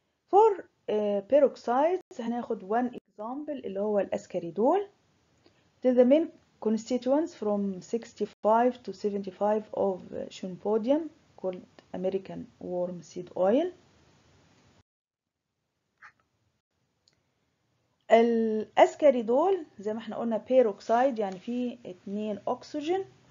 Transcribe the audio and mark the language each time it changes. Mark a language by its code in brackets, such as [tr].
[en] For peroxides [ar] هناخد [en] one example [ar] اللي هو الأسكاريدول. [en] This is the main constituents from 65 to 75 of Chenopodium called American Worm Seed Oil. [ar] الأسكاريدول زي ما احنا قلنا بيروكسيد يعني فيه 2 أكسجين.